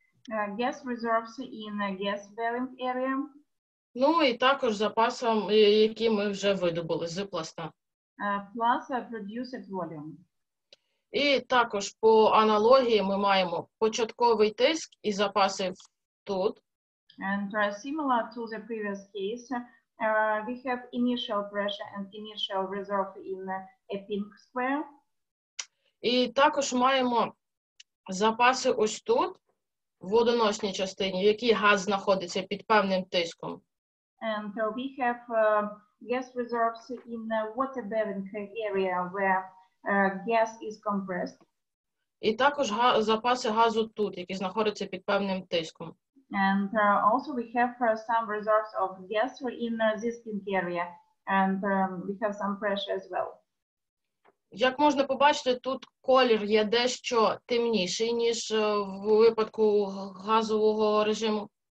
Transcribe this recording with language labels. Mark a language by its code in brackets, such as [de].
[en] Gas reserves in gas bearing area. [uk] Ну і також запасом, які ми вже видобули з пласта. [en] Plus produced volume. [uk] І також по аналогії ми маємо початковий тиск і запаси тут. [en] And similar to the previous case, we have initial pressure and initial reserve in a pink square. [uk] І також маємо запаси ось тут, в водоносній частині, в якій газ знаходиться під певним тиском. [en] And we have gas reserves in the water bearing area where gas is compressed. [uk] І також запаси газу тут, які знаходяться під певним тиском. [en] And also we have some reserves of gas in this pink area, and we have some pressure as well. [uk] Як можна побачити, тут колір є дещо темніший, ніж в випадку газового режиму.